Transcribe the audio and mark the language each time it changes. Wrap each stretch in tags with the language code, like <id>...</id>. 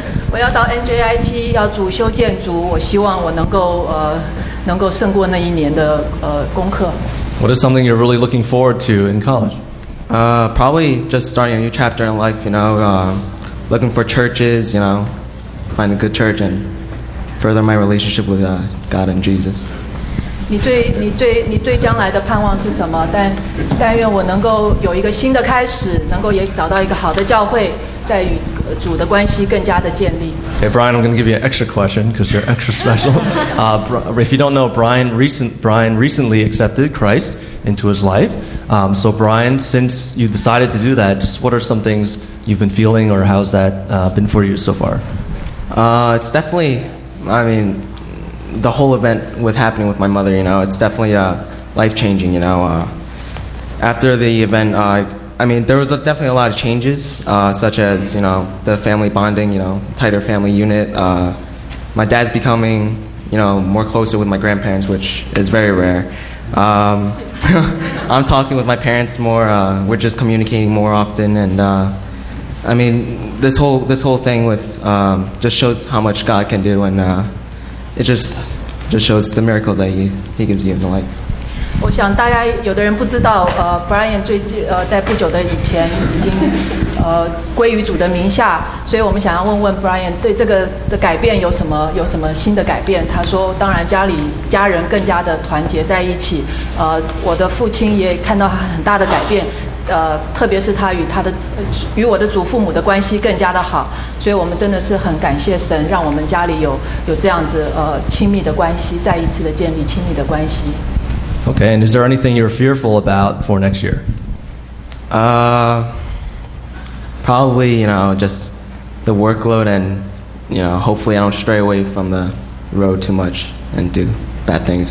<zh>我要到 NGIT 要主修建筑，我希望我能够能够胜过那一年的功课。</zh> <en>What is something you're really looking forward to in college? Probably just starting a new chapter in life. You know, looking for churches. You know, find a good church and further my relationship with God and Jesus.</en> <zh>你对将来的盼望是什么？但愿我能够有一个新的开始，能够也找到一个好的教会，在与主的关系更加的建立。</zh> <en>Hey, Brian, I'm going to give you an extra question because you're extra special. If you don't know, Brian recently accepted Christ into his life. So Brian, since you decided to do that, just what are some things you've been feeling or how's that been for you so far? It's definitely, I mean, the whole event with happening with my mother, you know, it's definitely life-changing, you know. After the event, I mean, there was definitely a lot of changes, such as, you know, the family bonding, you know, tighter family unit. My dad's becoming, you know, more closer with my grandparents, which is very rare. I'm talking with my parents more. We're just communicating more often. And I mean, this whole thing with just shows how much God can do, and it just shows the miracles that he gives you in the life.</en> <zh>我想大家有的人不知道，Brian 最近在不久的以前已经归于主的名下，所以我们想要问问 Brian 对这个的改变有什么新的改变。他说，当然家人更加的团结在一起，我的父亲也看到很大的改变，特别是他与他的与我的祖父母的关系更加的好，所以我们真的是很感谢神，让我们家里有这样子亲密的关系，再一次的建立亲密的关系。</zh> <en>Okay, and is there anything you're fearful about for next year? Probably, you know, just the workload, and you know, hopefully I don't stray away from the road too much and do bad things.</en>